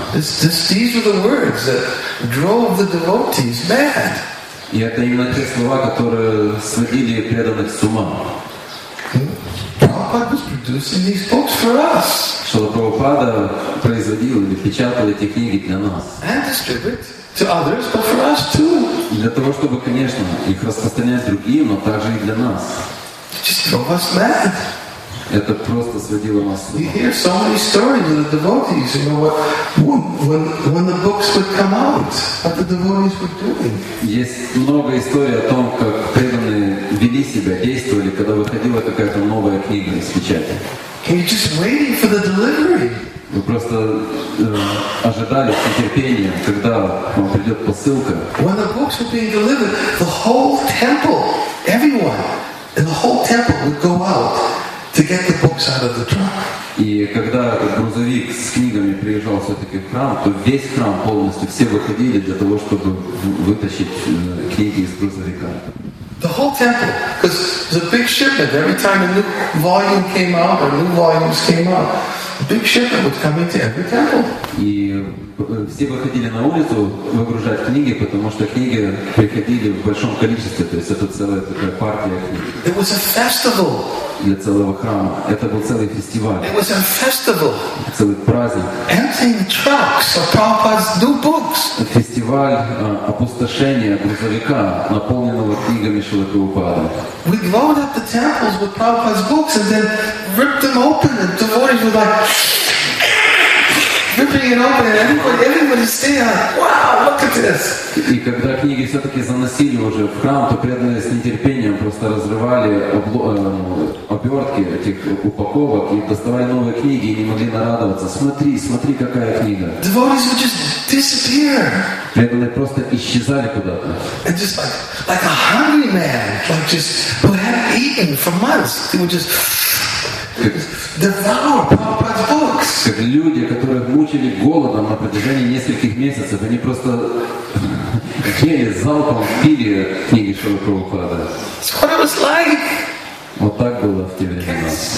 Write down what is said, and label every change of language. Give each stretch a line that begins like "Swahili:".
English: These were the words that drove the devotees mad.
Russian: И это именно те слова, которые сводили преданных с ума.
English: Prabhupada was producing these books for us.
Russian: Шрила Прабхупада производил или печатал эти книги для нас.
English: And distribute to others, but for us too.
Russian: И для того, чтобы, конечно, их распространять другим, но также и для нас.
English: Just drove us mad.
Russian: Это просто сводило нас.
English: You hear so many stories of the devotees, you know, when the books would come out, what the devotees were doing.
Russian: Есть много историй о том, как преданные вели себя, действовали, когда выходила какая-то новая книга из печати.
English: You're just waiting for the delivery.
Russian: Вы просто ожидали с нетерпением, когда вам придет посылка.
English: When the books were being delivered, the whole temple, everyone, in the whole temple would go out to get the books out of the trunk.
Russian: И когда этот грузовик с книгами приезжал все-таки в храм, то весь храм полностью, все выходили для того, чтобы вытащить книги из грузовика.
English: The whole temple, because it was a big shipment. Every time a new volume came out, or new volumes came out, a big shipment would come into every temple.
Russian: И все выходили на улицу выгружать книги, потому что книги приходили в большом количестве, то есть это целая такая партия книг.
English: It was a festival.
Russian: Для целого храма. Это был целый фестиваль.
English: It was a festival.
Russian: Целый праздник.
English: Emptying trucks of Prabhupada's new books.
Russian: Фестиваль опустошения грузовика, наполненного книгами Шрилы Прабхупады.
English: We load up the temples with Prabhupada's books and then rip them open and devotees were like ripping it open and everybody's saying, wow, look at this.
Russian: И когда книги все-таки заносили уже в храм, то преданные с нетерпением просто разрывали обертки этих упаковок и доставали новые книги и не могли нарадоваться. Смотри, смотри, какая книга.
English: Devotees would just disappear.
Russian: Преданные просто исчезали куда-то.
English: And just like a hungry man, like just who hadn't eaten for months, they would just devour Prabhupada's books.
Russian: Как люди, которые мучили голодом на протяжении нескольких месяцев, они просто ели залпом, пили книги Шрилы Прабхупады.
English: That's what it was like.
Russian: Вот так было в те времена.